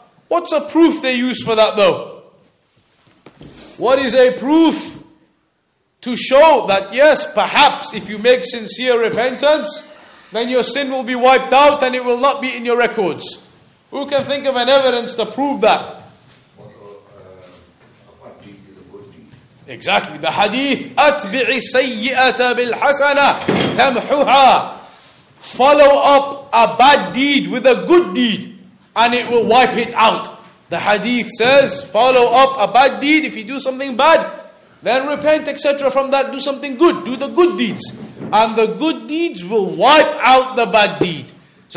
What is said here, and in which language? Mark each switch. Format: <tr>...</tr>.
<en>What's a proof they use for that though? What is a proof to show that yes, perhaps if you make sincere repentance, then your sin will be wiped out and it will not be in your records? Who can think of an evidence to prove that? Exactly, the hadith,</en> <ar>أَتْبِعِ السَّيِّئَةَ بِالْحَسَنَةِ تَمْحُهَا.</ar> <en>Follow up a bad deed with a good deed and it will wipe it out. The hadith says, follow up a bad deed. If you do something bad, then repent, etc. From that, do something good. Do the good deeds. And the good deeds will wipe out the bad deed. So</en>